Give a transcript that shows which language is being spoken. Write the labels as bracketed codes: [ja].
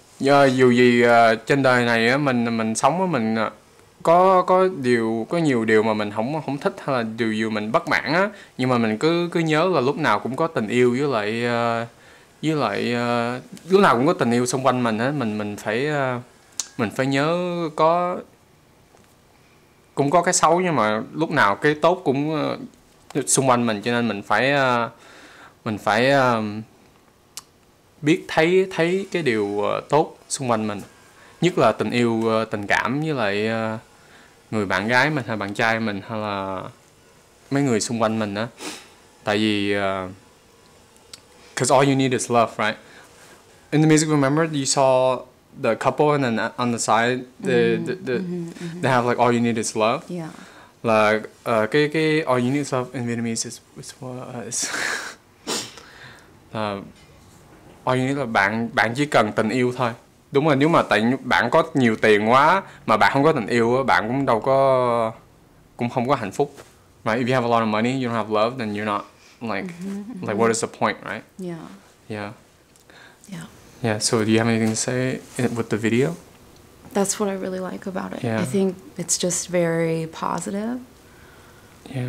[vi] Yeah, dù gì trên đời này mình sống mình có nhiều điều mà mình không thích hay là điều gì mình bất mãn á, nhưng mà mình cứ nhớ là lúc nào cũng có tình yêu với lại lúc nào cũng có tình yêu xung quanh mình á, mình phải nhớ có cũng có cái xấu nhưng mà lúc nào cái tốt cũng xung quanh mình, cho nên mình phải biết thấy cái điều tốt xung quanh mình, nhất là tình yêu, tình cảm với lại người bạn gái mình hay bạn trai mình hay là mấy người xung quanh mình á. Tại vì [en] cause all you need is love, right? In the music, remember you saw the couple and then on the side they have like all you need is love. Yeah. Like [vi] cái [en] all you need is love in Vietnamese is what is all you need [vi] là bạn chỉ cần tình yêu thôi. Đúng rồi, nếu mà tại bạn có nhiều tiền quá mà bạn không có tình yêu á, bạn cũng đâu có cũng không có hạnh phúc. [en] Right? If you have a lot of money, you don't have love, then you're not like like what is the point, right? Yeah. Yeah. Yeah. Yeah, so do you have anything to say with the video? That's what I really like about it. Yeah. I think it's just very positive. Yeah.